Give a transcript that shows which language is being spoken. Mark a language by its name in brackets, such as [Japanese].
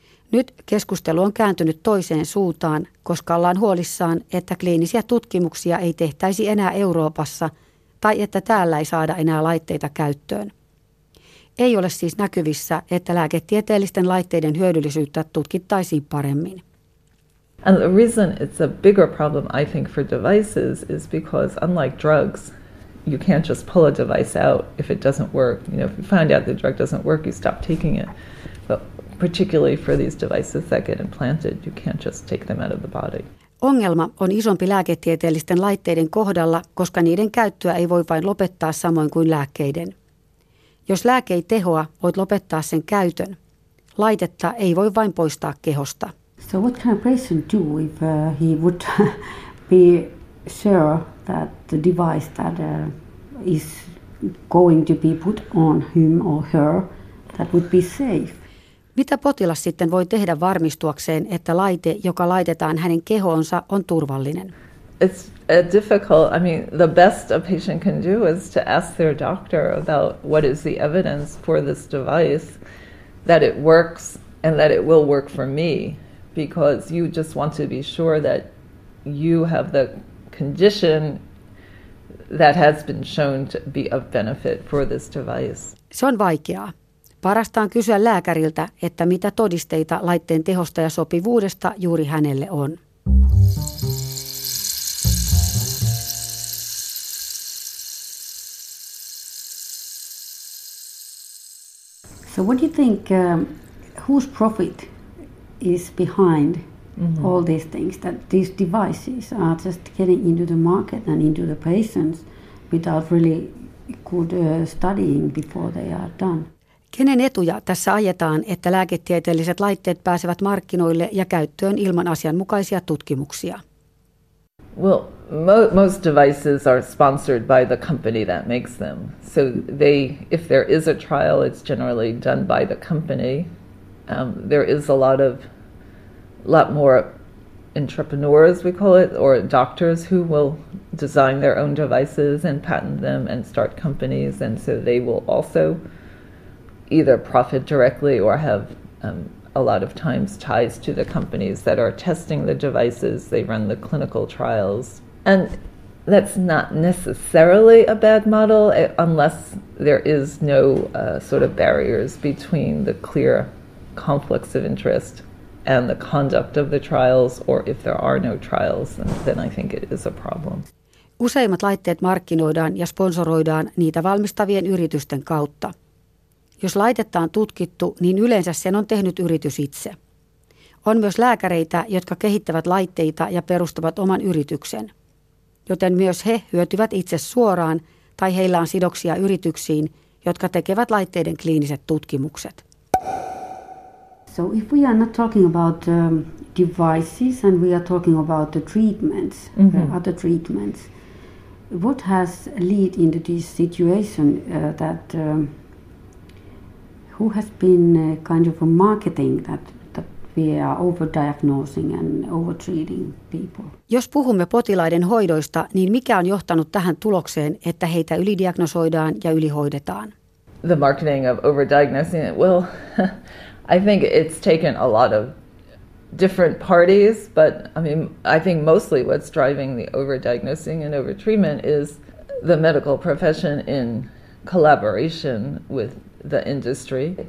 [Finnish] Nyt keskustelu on kääntynyt toiseen suuntaan, koska ollaan huolissaan, että kliinisiä tutkimuksia ei tehtäisi enää Euroopassa tai että täällä ei saada enää laitteita käyttöön. Ei ole siis näkyvissä, että lääketieteellisten laitteiden hyödyllisyyttä tutkittaisiin paremmin. [English] And the reason it's a bigger problem, I think, for devices is because unlike drugs, you can't just pull a device out if it doesn't work. You know, if you find out the drug doesn't work, you stop taking it. But particularly for these devices that get implanted, you can't just take them out of the body. [Finnish] Ongelma on isompi lääketieteellisten laitteiden kohdalla, koska niiden käyttöä ei voi vain lopettaa samoin kuin lääkkeiden. Jos lääke ei tehoa, voit lopettaa sen käytön. Laitetta ei voi vain poistaa kehosta. [English] So what can a patient do if he would be sure that the device that is going to be put on him or her that would be safe? [Finnish] Mitä potilas sitten voi tehdä varmistuakseen, että laite, joka laitetaan hänen kehoonsa, on turvallinen? [English] It's a difficult. I mean, the best a patient can do is to ask their doctor about what is the evidence for this device that it works and that it will work for me. Because you just want to be sure that you have the condition that has been shown to be of benefit for this device. [Finnish] Se on vaikeaa. Parasta on kysyä lääkäriltä, että mitä todisteita laitteen tehosta ja sopivuudesta juuri hänelle on. [English] So what do you think, whose profit is behind mm-hmm. all these things, that these devices are just getting into the market and into the patients without really good studying before they are done? [Finnish] Kenen etuja tässä ajetaan, että lääketieteelliset laitteet pääsevät markkinoille ja käyttöön ilman asianmukaisia tutkimuksia? [English] Well, most devices are sponsored by the company that makes them. So they, if there is a trial, it's generally done by the company. There is a lot more entrepreneurs, we call it, or doctors who will design their own devices and patent them and start companies, and so they will also either profit directly or have a lot of times ties to the companies that are testing the devices. They run the clinical trials. And that's not necessarily a bad model unless there is no sort of barriers between the clear conflicts of interest and the conduct of the trials, or if there are no trials, then I think it is a problem. [Finnish] Useimmat laitteet markkinoidaan ja sponsoroidaan niitä valmistavien yritysten kautta. Jos laitetta on tutkittu, niin yleensä sen on tehnyt yritys itse. On myös lääkäreitä, jotka kehittävät laitteita ja perustavat oman yrityksen. Joten myös he hyötyvät itse suoraan, tai heillä on sidoksia yrityksiin, jotka tekevät laitteiden kliiniset tutkimukset. [English] So if we are not talking about devices, and we are talking about the treatments, mm-hmm. other treatments. What has led into this situation that who has been kind of a marketing that we are overdiagnosing and overtreating people? [Finnish] Jos puhumme potilaiden hoidoista, niin mikä on johtanut tähän tulokseen, että heitä ylidiagnosoidaan ja ylihoidetaan? [English] The marketing of overdiagnosing, well, I think it's taken a lot of different parties, but I mean, I think mostly what's driving the overdiagnosing and overtreatment is the medical profession in collaboration with the industry.